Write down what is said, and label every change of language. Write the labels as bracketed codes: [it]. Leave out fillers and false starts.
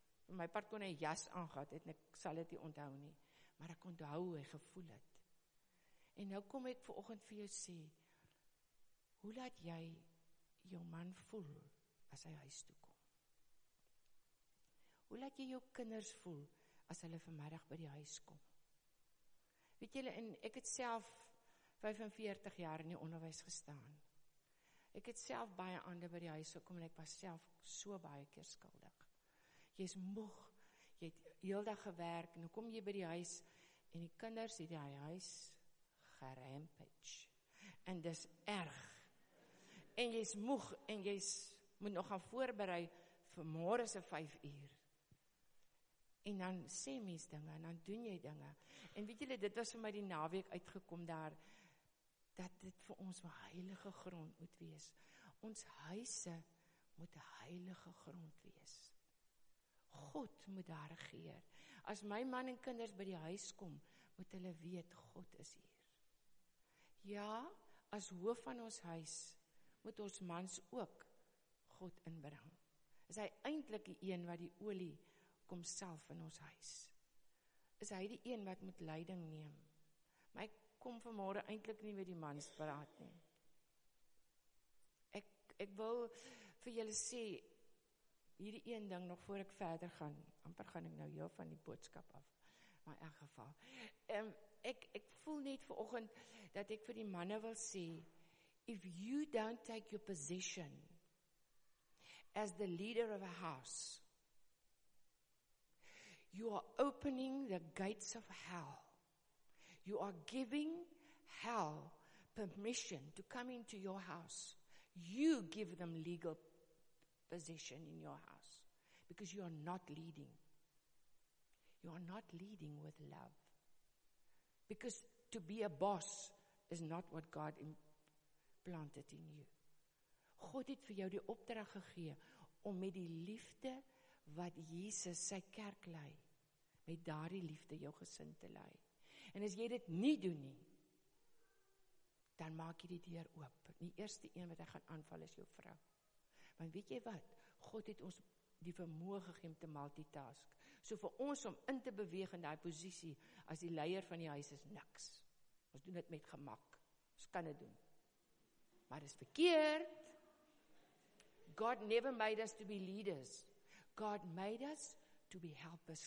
[af] My part kon hy jas aangehad het, en ek sal dit nie onthou nie, maar ek onthou hoe hy gevoel het. En nou kom ek vanoggend vir jou sê, hoe laat jy jou man voel, as hy huis toe kom? Hoe laat jy jou kinders voel, as hulle vanmiddag by die huis kom? Weet julle, en ek het self 45 jaar in die onderwijs gestaan. Ek het self baie ander by die huis gekom, en ek was self so baie keer skuldig. Jy is moeg, jy het heel dag gewerk, en dan kom jy by die huis, en die kinders het die huis gerampage, en dis erg, en jy is moeg, en jy is moet nog gaan voorberei vir môre se 5 uur. En dan sê mens dinge, en dan doen jy dinge. En weet julle, dit was vir my die naweek uitgekom daar, dat dit vir ons 'n heilige grond moet wees. Ons huise moet 'n heilige grond wees. God moet daar regeer. As my man en kinders by die huis kom, moet hulle weet, God is hier. Ja, as hoof van ons huis, moet ons mans ook God inbring. Is hy eintlik die een wat die olie kom self in ons huis? Is hy die een wat moet leiding neem? Maar ek kom vanmôre eintlik nie met die mans praat nie. Ek wil vir julle sê, hierdie een ding nog voor ek verder gaan, amper gaan ek nou heel van die boodskap af, maar in geval. Ek voel net vanoggend dat ek vir die manne wil sê, [en] if you don't take your position as the leader of a house, you are opening the gates of hell. You are giving hell permission to come into your house. You give them legal position in your house because you are not leading. You are not leading with love. Because to be a boss is not what God implanted in you. [af] God het vir jou die opdrag gegee om met die liefde wat Jesus sy kerk lei, met daardie liefde jou gesin te lei. En as jy dit nie doen nie, dan maak jy die deur oop. Die eerste een wat hy gaan aanval is jou vrou. Want weet jy wat? God het ons die vermoë gegee om te multitask. So vir ons om in te beweeg in die posisie as die leier van die huis is niks. Ons doen dit met gemak. Ons kan dit doen. Maar dit is verkeerd. [en] God never made us to be leaders. God made us to be helpers.